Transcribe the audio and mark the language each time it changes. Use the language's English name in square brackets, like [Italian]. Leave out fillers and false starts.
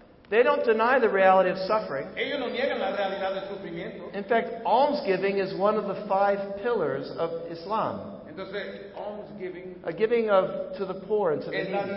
[English] They don't deny the reality of suffering. [Spanish] Ellos no niegan la realidad del sufrimiento. [English] In fact, almsgiving is one of the five pillars of Islam. [Spanish] Entonces, almsgiving, [English] a giving of to the poor and to the needy.